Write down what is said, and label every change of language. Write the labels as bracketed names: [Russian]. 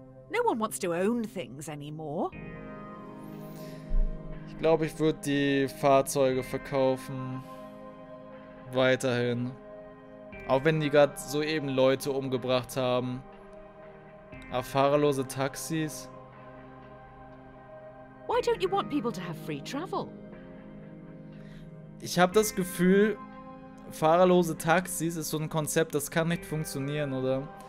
[English] No one wants to own things anymore. [German] Ich glaube, ich würde die Fahrzeuge verkaufen. Weiterhin. Auch wenn die gerade soeben Leute umgebracht haben. Fahrerlose Taxis. [English] Why don't you want people to have free travel? [German] Ich habe das Gefühl, fahrerlose Taxis ist so ein Konzept, das kann nicht funktionieren, oder?